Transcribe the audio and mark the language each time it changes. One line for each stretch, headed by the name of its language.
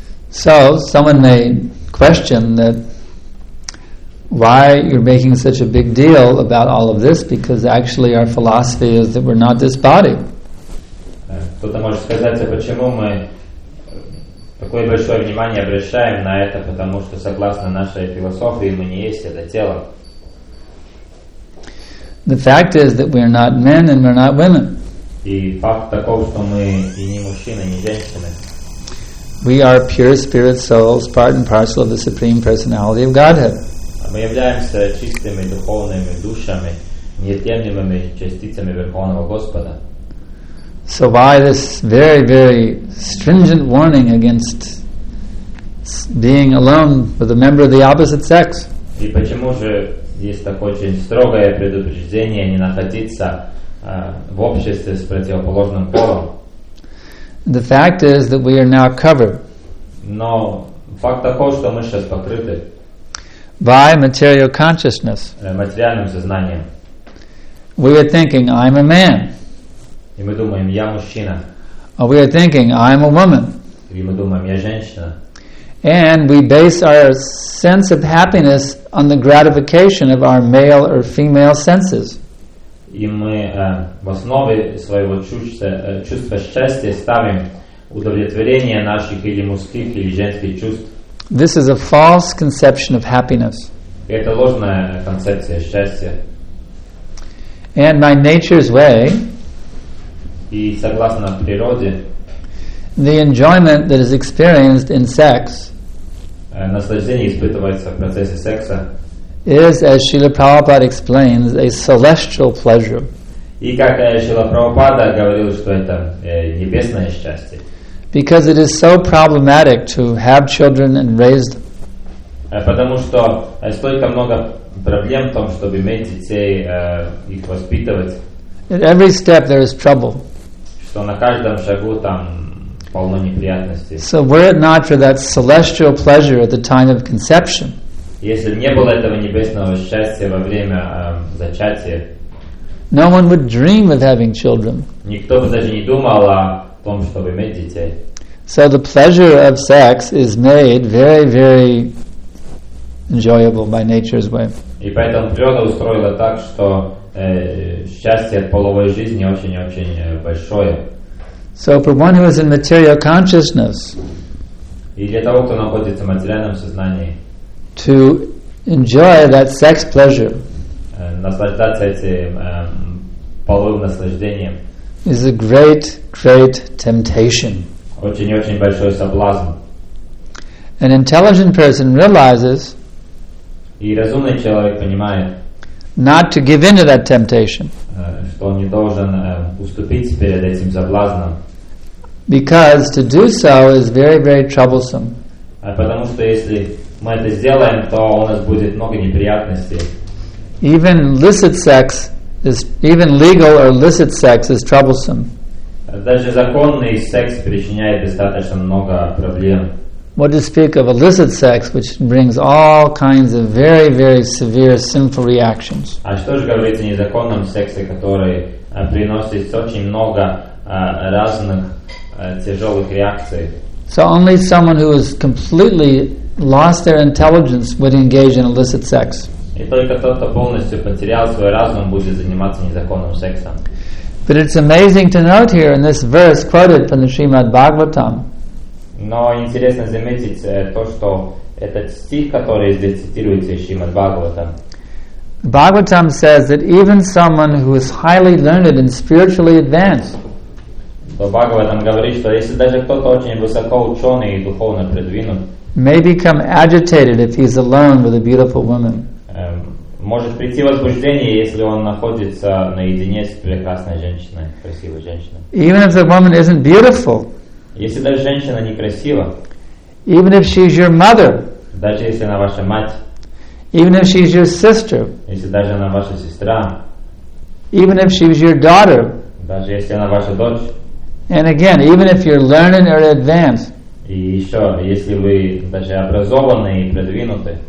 English: So, someone may question that why you're making such a big deal about all of this, because actually our philosophy is that we're not this body.
Russian: Кто-то может сказать, почему мы такое большое внимание обращаем на это, потому что согласно нашей философии мы не есть это тело.
English: The fact is that we're not men and we're not women.
Russian: И факт таков, что мы и не мужчины, и не женщины.
English: We are pure spirit souls, part and parcel of the Supreme Personality of Godhead.
Russian: Мы являемся чистыми духовными душами, неотъемлемыми частицами Верховного Господа.
English: So why this very, very stringent warning against being alone with a member of the opposite sex?
Russian: И почему же есть такое очень строгое предупреждение не находиться в обществе с противоположным полом?
English: The fact is that we are now covered.
Russian: Но факт таков, что мы сейчас покрыты.
English: By material consciousness.
Russian: Материальным сознанием.
English: We are thinking, I'm a man.
Russian: И мы думаем, я мужчина.
English: Or we are thinking, I'm a woman.
Russian: И мы думаем, я женщина.
English: And we base our sense of happiness on the gratification of our male or female senses.
Russian: И мы в основе своего чувства счастья ставим удовлетворение наших или мужских, или женских чувств.
English: This is a false conception of happiness.
Russian: Это ложная концепция счастья.
English: And by nature's way,
Russian: и согласно природе,
English: the enjoyment that is experienced in sex,
Russian: наслаждение испытывается в процессе секса,
English: is, as Srila Prabhupada explains, a celestial pleasure.
Russian: И как Srila Prabhupada говорил, что это небесное счастье.
English: Because it is so problematic to have children and raise them.
Russian: Потому что столько много проблем в том, чтобы иметь детей, их воспитывать.
English: At every step there is trouble.
Russian: Что на каждом шагу там полно неприятностей.
English: So were it not for that celestial pleasure at the time of conception,
Russian: если бы не было этого небесного счастья во время зачатия,
English: no one would dream of having children.
Russian: Никто бы даже не думал о том, чтобы иметь детей.
English: So the pleasure of sex is made very, very enjoyable by nature's way.
Russian: И поэтому природа устроила так, что счастье от половой жизни очень-очень большое.
English: So for one who is in material consciousness,
Russian: и для того, кто находится в материальном сознании,
English: to enjoy that sex pleasure,
Russian: наслаждаться этим половым наслаждением,
English: is a great, great temptation.
Russian: Очень-очень большой соблазн.
English: An intelligent person realizes,
Russian: и разумный человек понимает,
English: not to give in to that temptation,
Russian: что он не должен уступить перед этим соблазном,
English: because to do so is very, very troublesome.
Russian: А потому что если мы это сделаем, то у нас будет много неприятностей.
English: Even licit sex is, even legal or licit sex is troublesome.
Russian: Даже законный секс причиняет достаточно много проблем.
English: What to speak of illicit sex, which brings all kinds of very, very severe sinful reactions.
Russian: А
Ukrainian: що ж говорити
Russian: о незаконном сексе, который приносит очень много разных тяжелых реакций?
English: So only someone who has completely lost their intelligence would engage in illicit sex.
Russian: И только тот, кто полностью потерял свой разум, будет заниматься незаконным сексом.
English: But it's amazing to note here in this verse quoted from the Srimad Bhagavatam.
Russian: Но интересно заметить то, что этот стих, который здесь цитируется из Шримад Бхагаватам.
English: Bhagavatam says that even someone who is highly learned and spiritually advanced.
Russian: Бхагаватам говорит, что если даже кто-то очень высоко ученый и духовно продвинут,
English: may become agitated if he's alone with a beautiful woman.
Russian: Может прийти возбуждение, если он находится наедине с прекрасной женщиной, красивой женщиной.
English: Even if the woman isn't beautiful.
Russian: Если даже женщина некрасива.
English: Even if she's your mother.
Russian: Даже если она ваша мать.
English: Even if she's your sister.
Russian: Если даже она ваша сестра.
English: Even if she's your daughter.
Russian: Даже если она ваша дочь.
English: And again, even if you're learning or advanced.
Russian: И еще, если вы даже образованы и продвинуты.